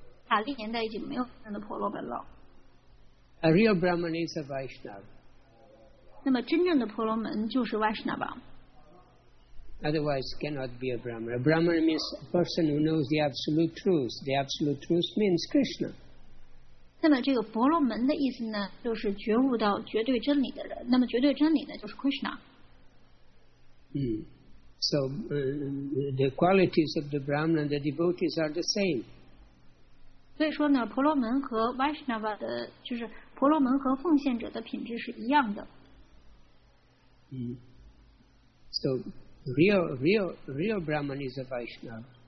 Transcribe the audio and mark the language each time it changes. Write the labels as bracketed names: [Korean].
[Chinese] Kali 年代已经没有真的婆罗门了。 [English] A real Brahman is a Vaishnava. [Chinese] 那么真正的婆罗门就是 Vaishnava。 [English] Otherwise, cannot be a Brahmana. Brahmana means a person who knows the absolute truth. The absolute truth means Krishna. [Chinese] 那么这个婆罗门的意思呢，就是觉悟到绝对真理的人。那么绝对真理呢，就是 Krishna. [English] So the qualities of the Brahman and the devotees are the same. [Chinese] 所以说呢，婆罗门和 Vaishnava 的，就是婆罗门和奉献者的品质是一样的。 [English] 嗯。So real Brahman is a Vaishnava.